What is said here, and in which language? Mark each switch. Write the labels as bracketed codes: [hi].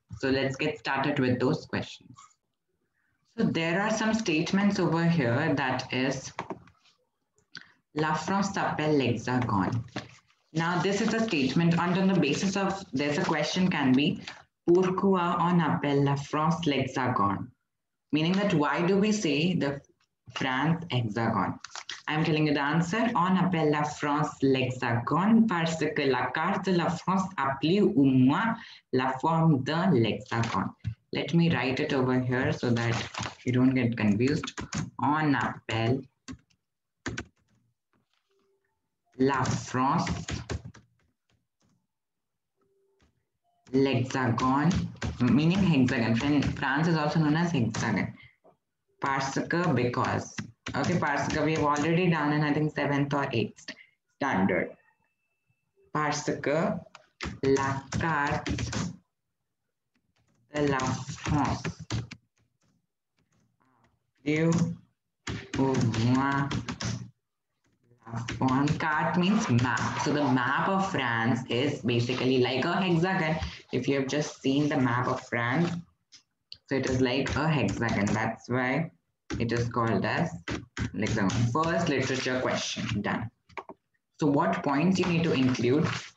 [en] So let's get started with those questions. So there are some statements over here that is, [fr] La France s'appelle l'Hexagone. [en] Now this is a statement and on the basis of, there's a question can be, [fr] Pourquoi on appelle la France l'Hexagone? [en] Meaning that why do we say the France hexagon. I'm telling you the answer. [fr] On appelle la France l'hexagone parce que la carte de la France appelée au moins la forme d'un hexagone. [en] Let me write it over here so that you don't get confused. [fr] On appelle la France l'hexagon, [en] meaning hexagon. France is also known as hexagon. [fr] Parce que, [en] because. Okay, parce que we have already done in, I think, 7th or 8th standard. [fr] Parce que la carte de la France appelée au moins la forme. [en] Carte means map. So the map of France is basically like a hexagon. If you have just seen the map of France, so it is like a hexagon. That's why it is called as hexagon. First literature question done. So what points you need to include?